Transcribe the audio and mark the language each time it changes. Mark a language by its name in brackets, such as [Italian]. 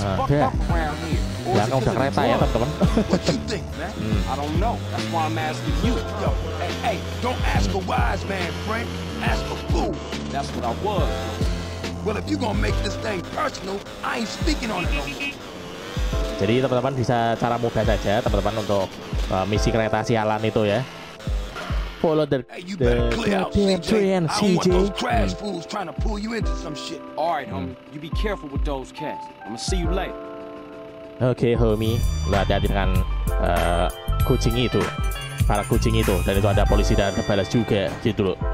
[English] fucked up around here. Or is it what you think, man? I don't know. That's why I'm asking you. Yo, hey, don't ask a wise man, friend. Ask a fool. That's what I was. Well, if you're gonna make this thing personal, I ain't speaking on it. [Indonesian] Jadi teman-teman bisa cara mudah saja teman-teman untuk misi kereta sialan itu ya. [English] Follow the CJ. I don't want those crash fools trying to pull you into some shit. All right, homie, you be careful with those cats. I'ma see you later. Okay, homie, [Indonesian] lu hati-hati dengan kucing itu, para kucing itu, dan itu ada polisi dan balas juga, gitu loh.